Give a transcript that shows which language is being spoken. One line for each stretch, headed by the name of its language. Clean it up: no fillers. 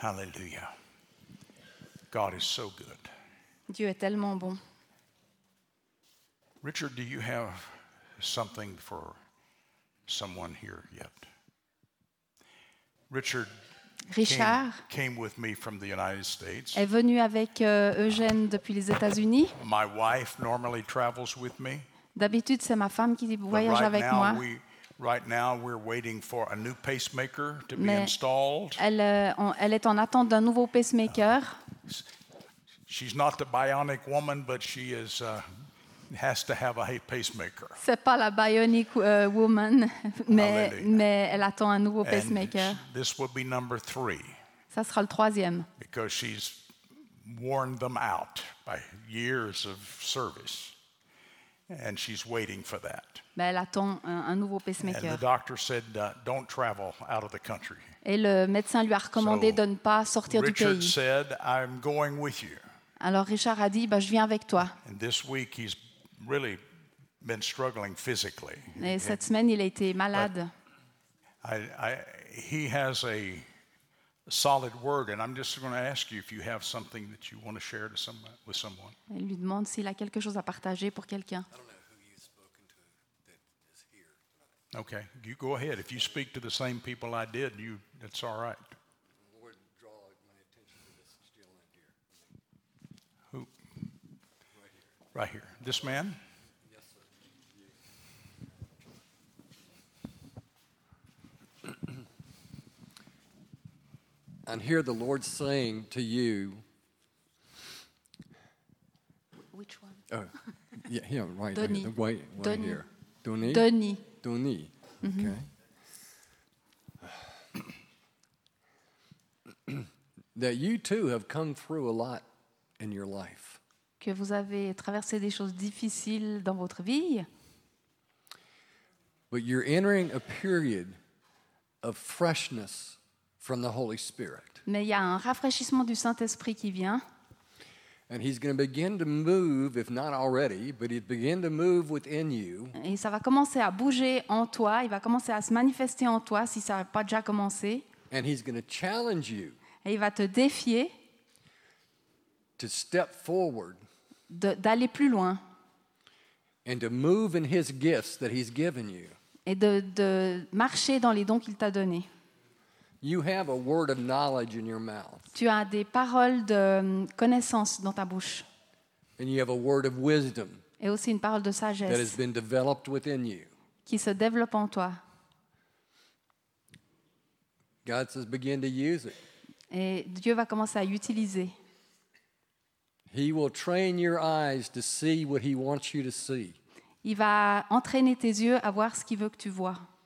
English: Hallelujah. God is so good.
French: Dieu est tellement bon.
English: Richard, do you have something for someone here yet? Richard, Richard came with me from the United States.
French: Est venu avec Eugène depuis les États-Unis.
English: My wife normally travels with me.
French: D'habitude, c'est ma femme qui voyage
English: right
French: avec
English: now,
French: moi.
English: Right now we're waiting for a new pacemaker to be installed.
French: Elle est en attente d'un nouveau pacemaker.
English: She's not the bionic woman, but she is has to have a pacemaker.
French: C'est pas la
English: bionic woman,
French: mais elle attend un nouveau pacemaker.
English: And this will be number three.
French: Ça sera le troisième.
English: Because she's worn them out by years of service. And she's waiting for that.
French: Mais elle attend un nouveau pacemaker.
English: And the doctor said, don't travel out of the country.
French: Et le médecin lui a recommandé de ne pas sortir du pays.
English: Richard said, I'm going with you.
French: Alors Richard a dit, bah, je viens avec toi.
English: And this week he's really been struggling physically.
French: Et cette semaine, il a été malade.
English: He has a solid word, and I'm just going to ask you if you have something that you want to share with someone.
French: Il lui demande s'il a quelque chose à partager pour quelqu'un.
English: I don't know who you've spoken to that is here. Okay, you go ahead. If you speak to the same people I did, you, it's all right. Lord, draw my attention to this gentleman here. Who? Right here. Right here. This man? Yes, sir. And hear the Lord saying to you. Which one? Right here. The white one here. Denis. Denis. Denis. Mm-hmm. Okay. That you too have come through a lot in your life.
French: Que vous avez traversé des choses difficiles dans votre vie.
English: But you're entering a period of freshness from the Holy Spirit.
French: Mais il y a un rafraîchissement du Saint-Esprit qui vient.
English: And he's going to begin to move, if not already, but he's begin to move within you.
French: Et ça va commencer à bouger en toi. Il va commencer à se manifester en toi si ça n'a pas déjà commencé.
English: And he's going to challenge you.
French: Et il va te défier.
English: To step forward.
French: D'aller plus loin.
English: And to move in his gifts that he's given you.
French: Et de marcher dans les dons qu'il t'a donnés.
English: You have a word of knowledge in your mouth.
French: Tu as des paroles de connaissance dans ta bouche.
English: And you have a word of wisdom.
French: Et aussi une parole de sagesse.
English: That has been developed within you.
French: Qui se développe en toi.
English: God says, "Begin to use it."
French: Et Dieu va commencer à utiliser.
English: He will train your eyes to see what he wants you to see.
French: Il va entraîner tes yeux à voir ce qu'il veut que tu vois.